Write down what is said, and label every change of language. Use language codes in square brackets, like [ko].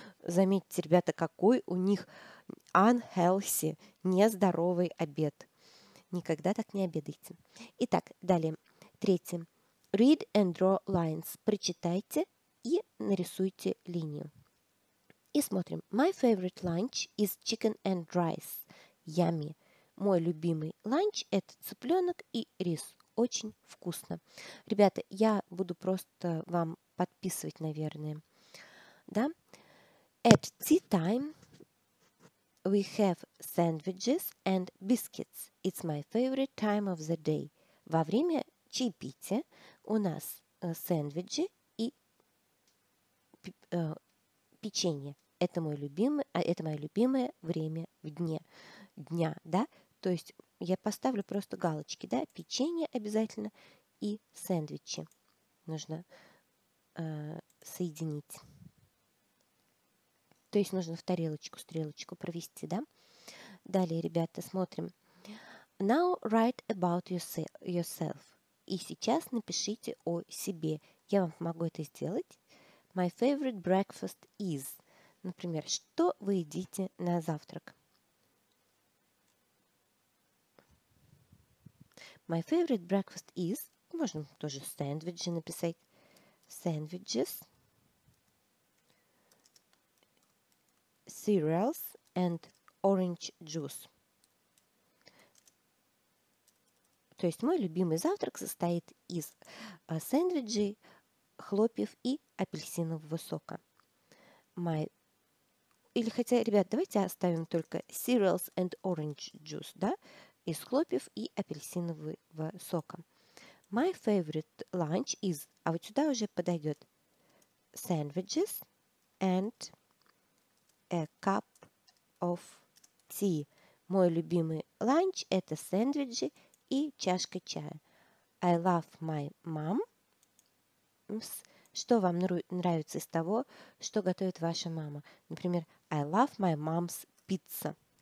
[ru] Заметьте, ребята, какой у них unhealthy, нездоровый обед. Никогда так не обедайте. Итак, далее, третье. [en] Read and draw lines. [ru] Прочитайте и нарисуйте линию. И смотрим. [en] My favorite lunch is chicken and rice. Yummy. [ru] Мой любимый ланч – это цыпленок и рис. Очень вкусно. Ребята, я буду просто вам подписывать, наверное. Да? [en] At tea time we have sandwiches and biscuits. It's my favorite time of the day. [ru] Во время чаепития у нас сэндвичи и печенье. Это мое любимое время в дне, да? То есть я поставлю просто галочки, да? Печенье обязательно и сэндвичи нужно соединить. То есть нужно в тарелочку стрелочку провести, да? Далее, ребята, смотрим. [en] Now write about yourself. [ru] И сейчас напишите о себе. Я вам помогу это сделать. [en] My favorite breakfast is... [ru] Например, что вы едите на завтрак? [en] My favorite breakfast is... [ru] Можно тоже сэндвичи написать. [en] Sandwiches, cereals and orange juice. [ru] То есть мой любимый завтрак состоит из сэндвичей, хлопьев и апельсинового сока. Ребят, давайте оставим только [en] cereals and orange juice, [ru] да, из хлопьев и апельсинового сока. [en] My favorite lunch is, [ru] а вот сюда уже подойдет, [en] sandwiches and a cup of tea. [ru] Мой любимый ланч – это сэндвичи и чашка чая. [en] I love my mom. [ru] Что вам нравится из того, что готовит ваша мама? [en] Например, I love my mom's pizza.